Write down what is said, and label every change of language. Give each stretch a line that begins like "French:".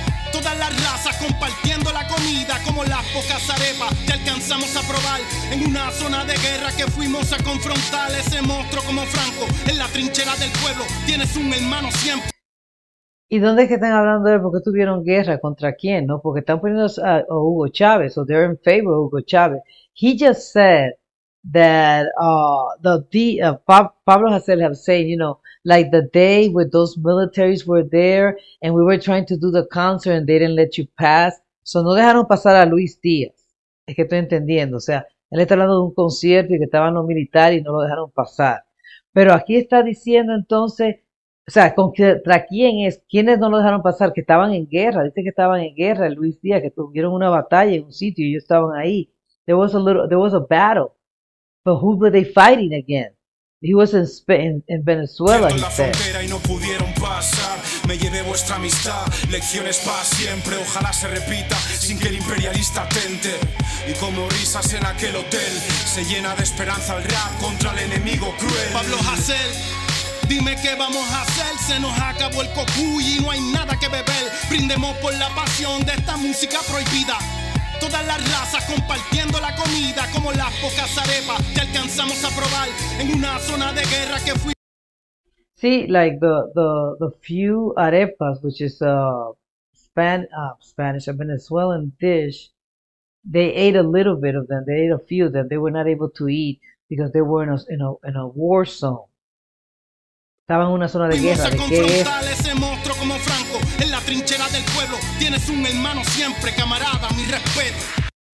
Spanish: Todas las razas compartiendo la comida, como las pocas arepas que alcanzamos a probar. En una zona de guerra que fuimos a confrontar. Ese monstruo como Franco, en la trinchera del pueblo, tienes un hermano siempre. ¿Y dónde es que están hablando de por qué tuvieron guerra? ¿Contra quién? ¿No? Porque están poniendo a Hugo Chávez, o
English: so they're in favor of Hugo Chávez. He just said that Pablo Hasél have said, you know, like the day when those militaries were there and we were trying to do the concert and they didn't let you pass.
Spanish: So no dejaron pasar a Luis Díaz. Es que estoy entendiendo. O sea, él está hablando de un concierto y que estaban los militares y no lo dejaron pasar. Pero aquí está diciendo entonces, o sea, ¿contra quién es? ¿Quiénes no lo dejaron pasar? Que estaban en guerra. Dice que estaban en guerra, Luis Díaz, que tuvieron una batalla en un sitio y ellos estaban ahí.
English: There was a battle. But who were they fighting against? He was in Venezuela, he said.
Spanish: La frontera y no pudieron pasar. Me llevé vuestra amistad, lecciones para siempre. Ojalá se repita sin que el imperialista tente. Y como risas en aquel hotel, se llena de esperanza el rap contra el enemigo cruel. Pablo Hasél, dime qué vamos a hacer. Se nos acabó el cocuy y no hay nada que beber. Brindemos por la pasión de esta música prohibida. Todas las razas compartiendo la comida, como las pocas arepas que alcanzamos a probar en una zona de guerra que fui.
English: Sí, like the few arepas, which is a Spanish, a Venezuelan dish. They ate a little bit of them. They ate a few of them. They were not able to eat because they were in a war zone.
Spanish: Estaban en una zona de guerra. Vamos a confrontar ese monstruo como Franco. En la trinchera del pueblo tienes un hermano siempre, camarada, mi respeto.